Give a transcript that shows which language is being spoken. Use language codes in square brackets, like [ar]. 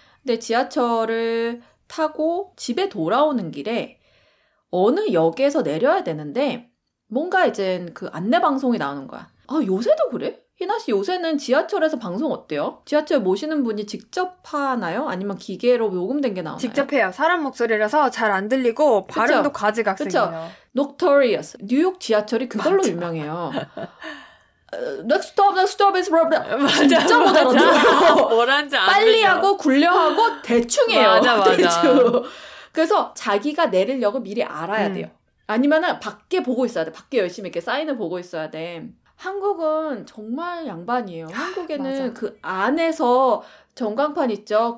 [ko] 근데 지하철을 타고 집에 돌아오는 길에 어느 역에서 내려야 되는데 뭔가 이젠 그 안내 방송이 나오는 거야. 아 요새도 그래? 희나 씨 요새는 지하철에서 방송 어때요? 지하철 모시는 분이 직접 하나요? 아니면 기계로 녹음된 게 나오나요? 직접 해요. 사람 목소리라서 잘 안 들리고 발음도 그쵸? 가지각색이에요. 그렇죠. [en] Notorious. [ko] 뉴욕 지하철이 그걸로 맞아. 유명해요. [en] Next stop, next stop is blah blah. [ko] 진짜 못 알아들어. 빨리 하고 굴려하고 대충해요. 맞아. 대충. 그래서 자기가 내릴 역을 미리 알아야 돼요. 아니면은 밖에 보고 있어야 돼. 밖에 열심히 이렇게 사인을 보고 있어야 돼. 한국은 정말 양반이에요. 한국에는 맞아. 그 안에서 전광판 있죠?